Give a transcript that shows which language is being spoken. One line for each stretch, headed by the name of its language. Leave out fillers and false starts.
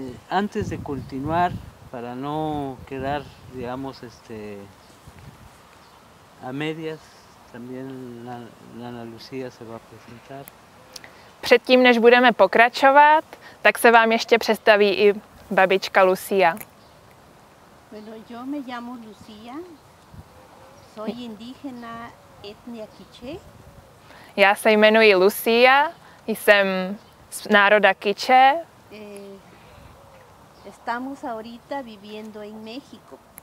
Spanish: Antes de continuar, para no quedar, digamos, a medias, también Ana Lucía se va a presentar.
Czech: Předtím, než budeme pokračovat, tak se vám ještě představí i babička Lucía.
Spanish: Bueno, yo me llamo Lucía. Soy indígena etnia Quiché.
Czech: Já se jmenuji Lucía, jsem z národa Quiché.
Spanish: Estamos ahorita viviendo en México.